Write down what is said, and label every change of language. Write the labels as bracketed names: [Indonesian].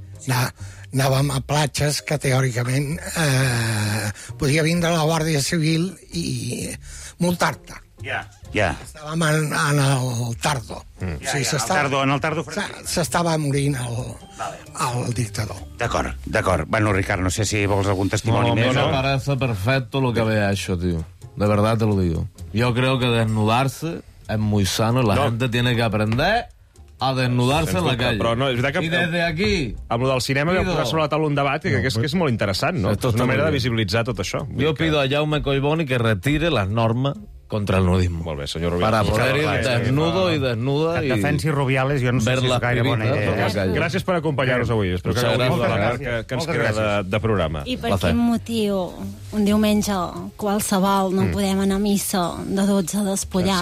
[Catalan] Anàvem a platges que teòricament podia vindre la Guàrdia Civil i multar-te. Estàvem en el Tardo. En el Tardo. S'estava morint el dictador. D'acord. Bueno, Ricard, no sé si vols algun testimoni més. [Spanish] No, a mi me parece perfecto lo que ve això, tio. De verdad te lo digo. Yo creo que desnudarse es muy sano y la gente tiene que aprender a desnudarse en la calle. [Catalan] Però no, és veritat que... [Spanish] I desde aquí... [Catalan] Amb lo del cinema [Spanish] pido... [Catalan] vam posar sobre la taula un debat i que és molt interessant, no? És una manera de visibilitzar tot això. [Spanish] Yo pido a Jaume Collboni que retire las normas contra el nudismo. [Catalan] Molt bé, senyor Rubiales. [Spanish] Para poder ir desnudo i desnuda [Catalan] i... Defensi Rubiales, jo no sé si és gaire bona idea. Gràcies per acompanyar-nos avui. Espero que gaudiu de la part que ens queda de programa. I per quin motiu un diumenge qualsevol no podem anar a missa de 12 despullats?